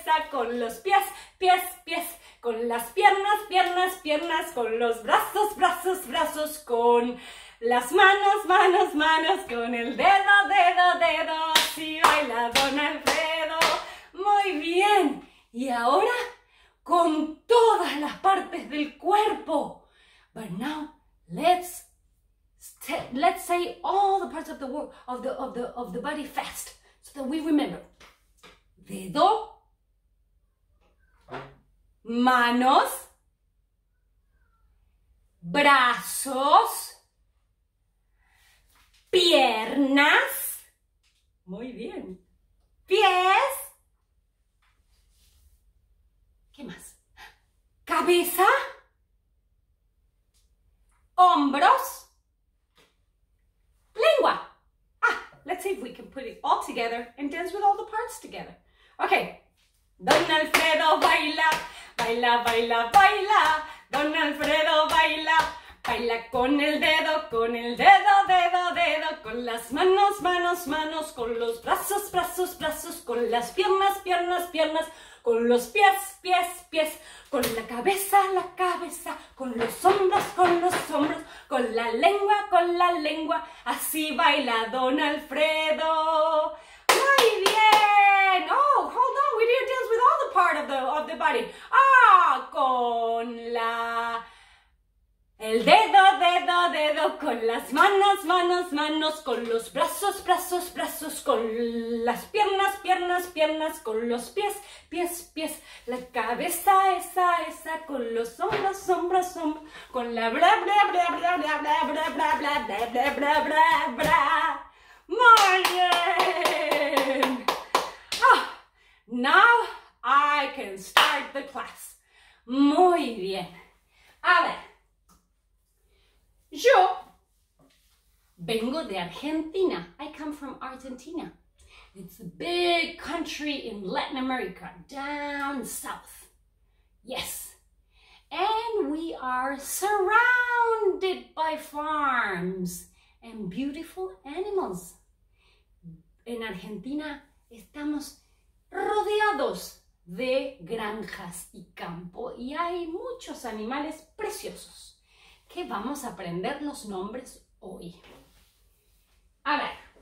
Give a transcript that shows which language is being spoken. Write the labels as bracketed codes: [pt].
[es] con los pies, pies, pies, con las piernas, piernas, piernas, con los brazos, brazos, brazos, con las manos, manos, manos, con el dedo, dedo, dedo, así baila don Alfredo. Muy bien, y ahora con todas las partes del cuerpo. [en] But now let's say all the parts of the world, of the body fast, so that we remember. [es] Dedo, manos, brazos, piernas, muy bien, pies, ¿qué más? Cabeza, hombros, lengua. [en] Ah, let's see if we can put it all together and dance with all the parts together. [es] Okay. Don Alfredo baila, baila, baila, baila. Don Alfredo baila, baila con el dedo, dedo, dedo, con las manos, manos, manos, con los brazos, brazos, brazos, con las piernas, piernas, piernas, con los pies, pies, pies, con la cabeza, con los hombros, con la lengua, así baila don Alfredo. ¡Muy bien! [en] Oh, hold on, we didn't dance with all the part of the body. [es] Ah, con la... el dedo, dedo, dedo, con las manos, manos, manos, con los brazos, brazos, brazos, con las piernas, piernas, piernas, con los pies, pies, pies, la cabeza, esa, esa, con los hombros, hombros, hombros, con la bla, bla, bla, bla, bla, bla, bla, bla, bla, bla, bla, bla, bla, bla. ¡Muy bien! [en] Now I can start the class. [es] Muy bien. A ver. Yo vengo de Argentina. [en] I come from Argentina. It's a big country in Latin America, down south. Yes. And we are surrounded by farms and beautiful animals. [es] En Argentina estamos rodeados de granjas y campo y hay muchos animales preciosos que vamos a aprender los nombres hoy. A ver.